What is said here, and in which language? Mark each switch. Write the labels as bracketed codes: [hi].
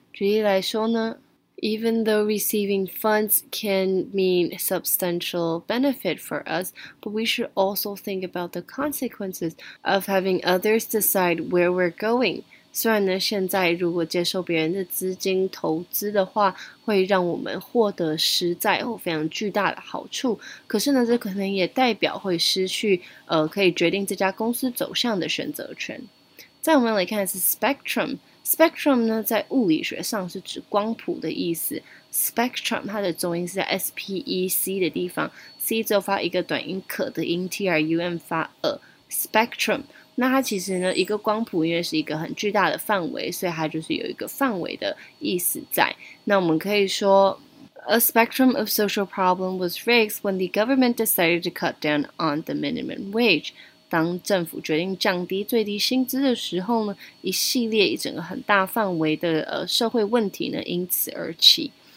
[zh] 举例来说呢， [en] Even though receiving funds can mean substantial benefit for us, but we should also think about the consequences of having others decide where we're going. [zh] 虽然呢，现在如果接受别人的资金投资的话，会让我们获得实在或非常巨大的好处，可是呢，这可能也代表会失去可以决定这家公司走向的选择权。再我们来看的是 spectrum。Spectrum 呢，在物理学上是指光谱的意思。 Spectrum 它的重音是在 S P E C 的地方 ，C 只有发一个短音可的音 ，T R U M 发 a spectrum。那它其实呢，一个光谱因为是一个很巨大的范围，所以它就是有一个范围的意思在。那我们可以说 [en] ，A spectrum of social problem was raised when the government decided to cut down on the minimum wage。 [zh] 当政府决定降低最低薪资的时候呢，一系列一整个很大范围的社会问题呢因此而起。